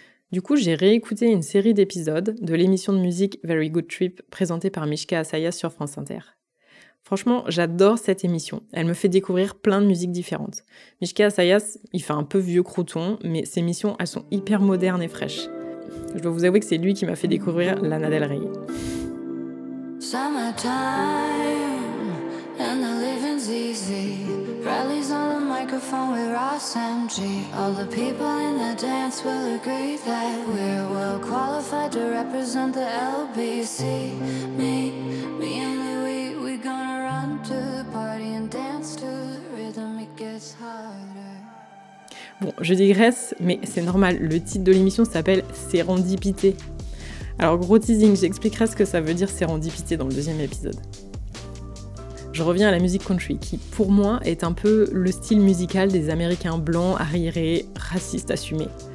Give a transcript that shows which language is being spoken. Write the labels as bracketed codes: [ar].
[fr] Du coup, j'ai réécouté une série d'épisodes de l'émission de musique Very Good Trip, présentée par Mishka Assayas sur France Inter. Franchement, j'adore cette émission. Elle me fait découvrir plein de musiques différentes. Mishka Assayas, il fait un peu vieux crouton, mais ses missions, elles sont hyper modernes et fraîches. Je dois vous avouer que c'est lui qui m'a fait découvrir Lana Del Rey. [en] Summertime, and the living's easy. Rallies on the microphone with Ross MG. All the people in the dance will agree that we're well qualified to represent the LBC. Me and Louis, we're gonna run to the party and dance to the rhythm, it gets harder. [fr] Bon, je digresse, mais c'est normal, le titre de l'émission s'appelle « Sérendipité ». Alors gros teasing, j'expliquerai ce que ça veut dire sérendipité dans le deuxième épisode. Je reviens à la musique country, qui pour moi est un peu le style musical des Américains blancs, arriérés, racistes assumés.